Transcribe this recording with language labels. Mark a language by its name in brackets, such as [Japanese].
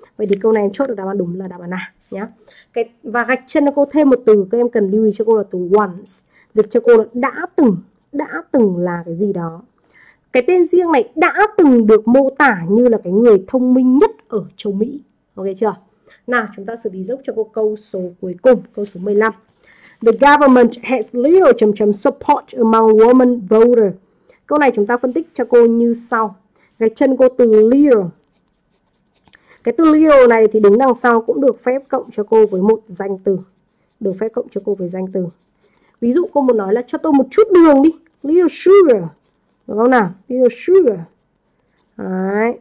[Vietnamese] Vậy thì câu này em chốt được đáp án đúng là đáp án nào nhá. Cái, và gạch chân cho cô thêm một từ các em cần lưu ý cho cô là từ once. Dịch cho cô là đã từng là cái gì đó. Cái tên riêng này đã từng được mô tả như là cái người thông minh nhất ở châu Mỹ. Ok chưa? Nào, chúng ta xử lý giúp cho cô câu số cuối cùng, câu số 15. [English] The government has little [Vietnamese] chấm chấm [English] support among women voter. [Vietnamese] Câu này chúng ta phân tích cho cô như sau. Gạch chân cô từ little. Cái từ little này thì đứng đằng sau cũng được phép cộng cho cô với một danh từ. Được phép cộng cho cô với danh từ. Ví dụ cô muốn nói là cho tôi một chút đường đi. [English] Little sugar. [Vietnamese] Đúng không nào? Little sugar. Đấy.